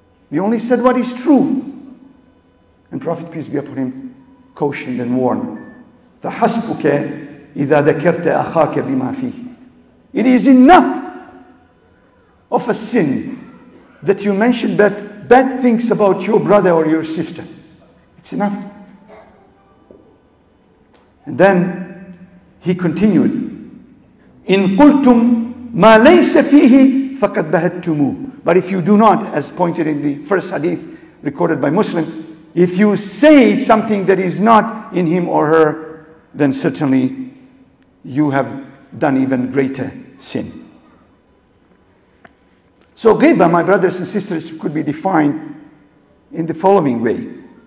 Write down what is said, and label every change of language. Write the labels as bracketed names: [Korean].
[English] We only said what is true. And Prophet, peace be upon him, cautioned and warned, [Arabic] فَحَسْبُكَ إِذَا ذَكَرْتَ أَخَاكَ بِمَا فِيهِ. [English] It is enough of a sin that you mention bad things about your brother or your sister. It's enough. And then he continued, [Arabic] إِن قُلْتُمْ مَا لَيْسَ فِيهِ فَقَدْ بَهَدْتُمُوهُ. [English] But if you do not, as pointed in the first hadith recorded by Muslim, if you say something that is not in him or her, then certainly you have done even greater sin. So ghibah, my brothers and sisters, could be defined in the following way.